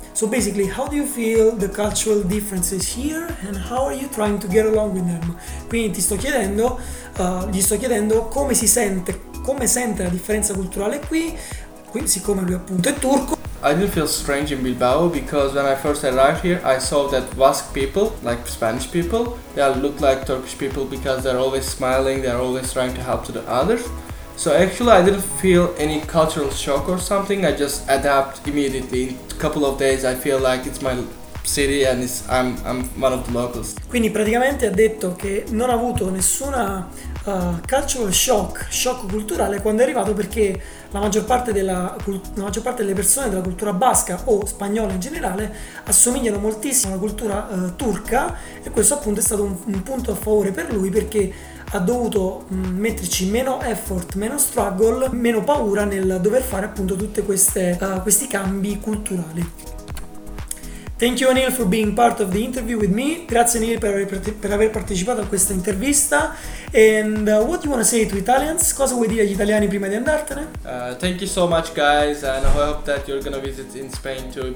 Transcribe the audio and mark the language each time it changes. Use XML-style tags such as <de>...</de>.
<en>So basically, how do you feel the cultural differences here and how are you trying to get along with them?</en> <it>Quindi gli sto chiedendo come si sente, come sente la differenza culturale qui, quindi siccome lui appunto è turco.</it> <en>I didn't feel strange in Bilbao because when I first arrived here, I saw that Basque people, like Spanish people, they look like Turkish people because they're always smiling, they're always trying to help to the others. So actually I didn't feel any cultural shock or something, I just adapt immediately. In a couple of days I feel like it's my city and it's, I'm one of the locals.</en> <it>Quindi praticamente ha detto che non ha avuto nessuna</it> <en>cultural shock</en> <it>culturale quando è arrivato, perché la maggior parte delle persone della cultura basca o spagnola in generale assomigliano moltissimo alla cultura turca, e questo appunto è stato un punto a favore per lui perché ha dovuto metterci meno effort, meno struggle, meno paura nel dover fare appunto tutte queste questi cambi culturali.</it> <en>Thank you, Anil, for being part of the interview with me.</en> <it>Grazie, Anil, per aver partecipato a questa intervista.</it> <en>And what do you want to say to Italians?</en> <it>Cosa vuoi dire agli italiani prima di andartene?</it> <en>Thank you so much, guys, and I hope that you're gonna visit in Spain too.</en>